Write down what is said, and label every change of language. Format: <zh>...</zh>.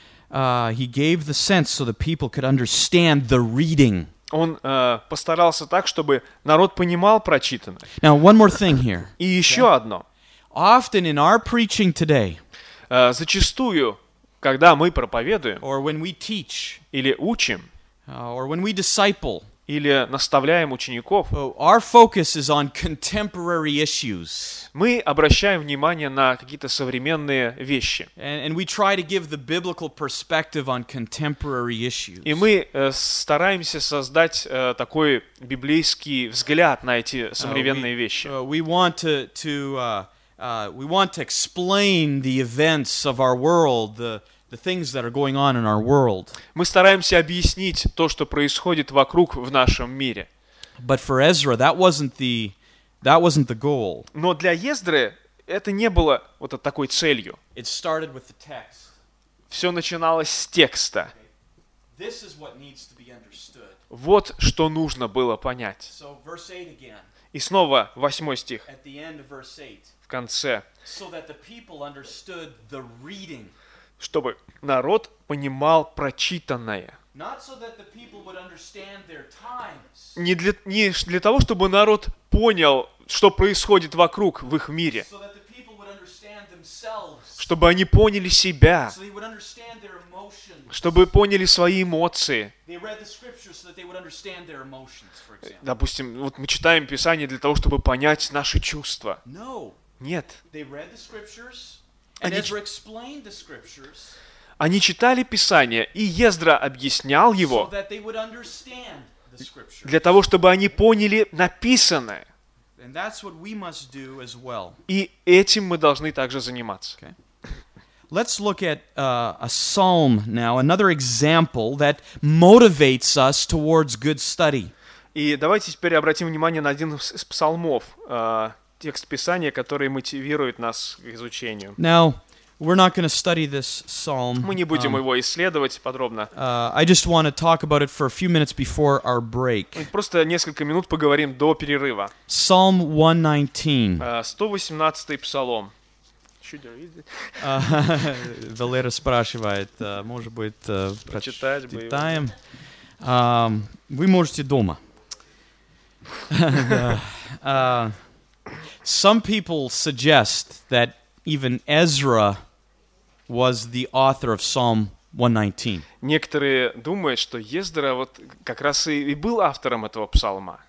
<en>He gave the sense so the people could understand the reading.</en> <ru>Он постарался так, чтобы народ понимал прочитанное.</ru> <en>Now, one more thing here.</en> <ru>И еще okay. одно.</ru> <en>Often in our preaching today,</en> <ru>зачастую, когда мы проповедуем,</ru> <en>or when we teach,</en> <ru>или учим,</ru> <en>or when we disciple,</en> <ru>или наставляем учеников,</ru> <en>our focus is on contemporary issues.</en> <ru>Мы обращаем внимание на какие-то современные вещи.</ru> <en>And we try to give the biblical perspective on contemporary issues.</en> <ru>И мы стараемся создать такой библейский взгляд на эти современные вещи.</ru> <en>We want to explain the events of our world, the things that are going on in our world.</en> <ru>Мы стараемся объяснить то, что происходит вокруг в нашем мире.</ru> <en>But for Ezra, that wasn't the goal.</en> <ru>Но для Ездры это не было вот такой целью.</ru> <en>It started with the text.</en> <ru>Все начиналось с текста.</ru> <en>This is what needs to be understood.</en> <ru>Вот что нужно было понять.</ru> <en>So verse 8 again.</en> <ru>И снова 8 стих.</ru> <en>At the end of verse 8.</en> <ru>В конце,</ru> <en>so that the people understood the reading.</en> <ru>Чтобы народ понимал прочитанное.</ru> <en>Not so that the people would understand their times.</en> <ru>Не для того, чтобы народ понял, что происходит вокруг в их мире.</ru> <en>So that the people would understand themselves.</en> <ru>Чтобы они поняли себя.</ru> <en>So they would understand their emotions.</en> <ru>Чтобы поняли свои эмоции.</ru> <en>They read the scriptures so that they would understand their emotions, for example.</en> <ru>Допустим, вот мы читаем Писание для того, чтобы понять наши чувства.</ru> <en>No.</en> <ru>Нет.</ru> <en>They read the scriptures, and Ezra explained the scriptures.</en> <ru>Они читали Писание, и Ездра объяснял его</ru> <en>so that they would understand the scriptures.</en> <ru>Для того, чтобы они поняли написанное.</ru> <en>And that's what we must do as well.</en> <ru>И этим мы должны также заниматься.</ru> <en>Okay. Let's look at a psalm now, another example that motivates us towards good study.</en> <ru>И давайте теперь обратим внимание на один из псалмов. Текст Писания, который мотивирует нас к изучению.</ru> <en>Now, we're not going to study this psalm.</en> <ru>Мы не будем его исследовать подробно.</ru> <en>I just want to talk about it for a few minutes before our break.</en> <ru>Мы просто несколько минут поговорим до перерыва.</ru> <en>Psalm 119.</en> <ru>118 псалом. Валера спрашивает, может быть, прочитаем? Вы можете дома.</ru> <en>Some people suggest that even Ezra was the author of Psalm 119.</en> <ru>Некоторые думают, что Ездра вот как раз и был автором этого псалма.</ru>